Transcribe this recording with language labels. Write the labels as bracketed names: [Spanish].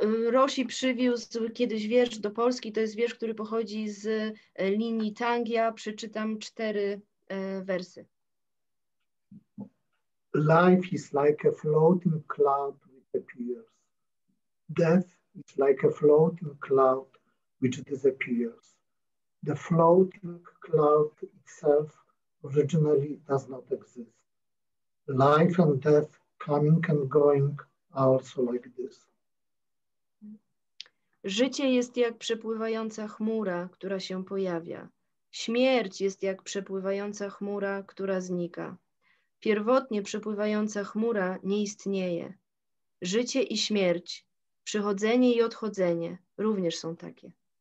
[Polish] Roshi przywiózł kiedyś wiersz do Polski. To jest wiersz, który pochodzi z linii Tang. Ja przeczytam cztery wersy. [English] Life is like a floating cloud with the peers. Death is like a floating cloud which disappears. The floating cloud itself originally does not exist. Life and death coming and going are also like this. [Polish] Życie jest jak przepływająca chmura, która się pojawia. Śmierć jest jak przepływająca chmura, która znika. Pierwotnie przepływająca chmura nie istnieje. Życie i śmierć, przychodzenie i odchodzenie również są takie.